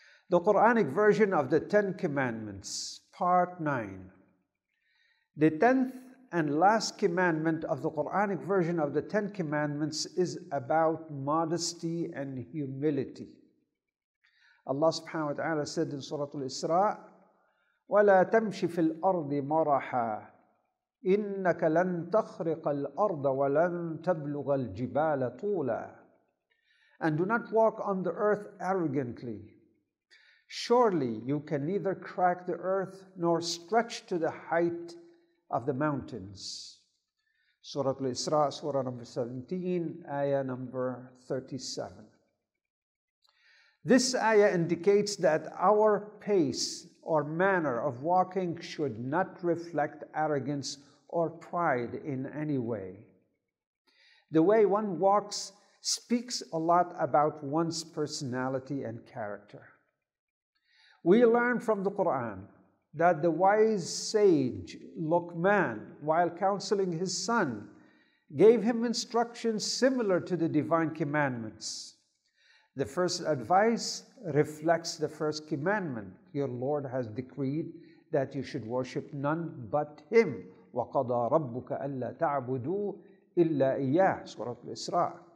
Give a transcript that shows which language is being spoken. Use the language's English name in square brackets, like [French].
[English] The Quranic version of the Ten Commandments, Part 9. The tenth and last commandment of the Quranic version of the Ten Commandments is about modesty and humility. Allah subhanahu wa ta'ala said in Surah Al-Isra, [Arabic] وَلَا تَمْشِ فِي الْأَرْضِ مَرَحًا إِنَّكَ لَنْ تَخْرِقَ الْأَرْضَ وَلَنْ تَبْلُغَ الْجِبَالَ طُولًا. [English] And do not walk on the earth arrogantly. Surely you can neither crack the earth nor stretch to the height of the mountains. Surah Al-Isra, Surah number 17, Ayah number 37. This ayah indicates that our pace or manner of walking should not reflect arrogance or pride in any way. The way one walks speaks a lot about one's personality and character. We learn from the Qur'an that the wise sage Luqman, while counseling his son, gave him instructions similar to the divine commandments. The first advice reflects the first commandment. Your Lord has decreed that you should worship none but Him. [Arabic] وَقَضَى رَبُّكَ أَلَّا تَعْبُدُوا إِلَّا إِيَّاهِ Surah Al-Isra.